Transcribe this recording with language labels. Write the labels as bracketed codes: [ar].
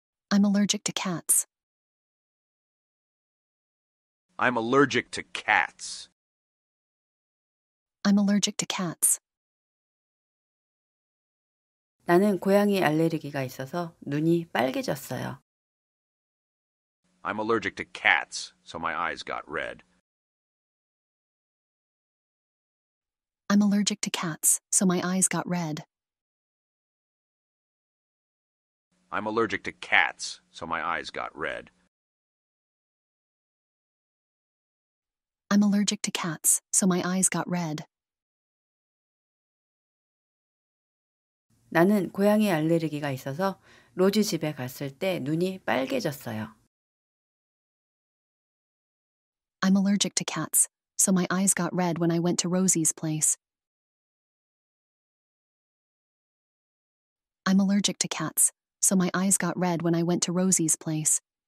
[en] I'm allergic to cats. I'm allergic to cats. I'm allergic to cats. [ko] 나는 고양이 알레르기가 있어서 눈이 빨개졌어요. [en] I'm allergic to cats, so my eyes got red. I'm allergic to cats, so my eyes got red. I'm allergic to cats, so my eyes got red. I'm allergic to cats, so my eyes got red. [ko] 나는 고양이 알레르기가 있어서 로지 집에 갔을 때 눈이 빨개졌어요. [en] I'm allergic to cats, so my eyes got red when I went to Rosy's place. I'm allergic to cats, so my eyes got red when I went to Rosy's place.